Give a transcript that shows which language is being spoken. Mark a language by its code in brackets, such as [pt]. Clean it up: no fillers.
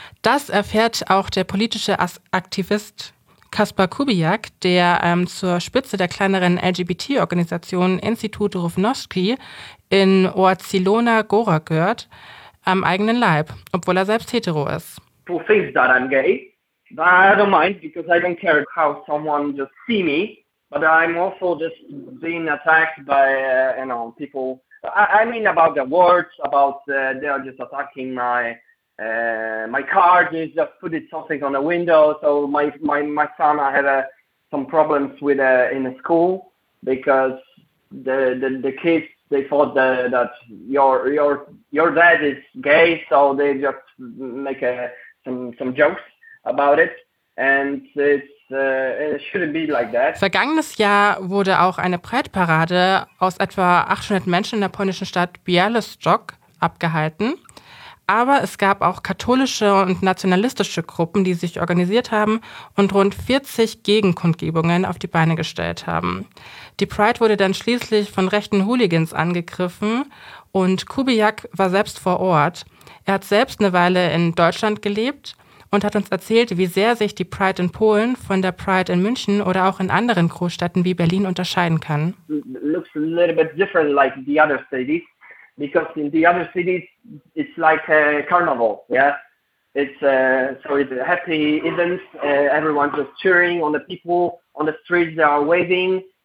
[de] Das erfährt auch der politische Aktivist Kaspar Kubiak, der zur Spitze der kleineren LGBT-Organisation Instytut Równości in Ort Zielona Gora gehört, am eigenen Leib, obwohl er selbst hetero ist. [en] Who thinks that I'm gay? I don't mind, because I don't care how someone just see me, but I'm also just being attacked by, people. I mean about the words, about they are just attacking my car, they just put it something on the window. So my son, I had some problems with in the school, because the kids, they thought that your dad is gay, so they just make some jokes about it, and it shouldn't be like that. [de] Vergangenes Jahr wurde auch eine Pride-Parade aus etwa 800 Menschen in der polnischen Stadt Białystok abgehalten. Aber es gab auch katholische und nationalistische Gruppen, die sich organisiert haben und rund 40 Gegenkundgebungen auf die Beine gestellt haben. Die Pride wurde dann schließlich von rechten Hooligans angegriffen und Kubiak war selbst vor Ort. Er hat selbst eine Weile in Deutschland gelebt und hat uns erzählt, wie sehr sich die Pride in Polen von der Pride in München oder auch in anderen Großstädten wie Berlin unterscheiden kann. [en] Looks a little bit different like the other cities, because in the other cities it's like a carnival, yeah. It's a happy event, everyone just cheering on the people on the streets, they are waving.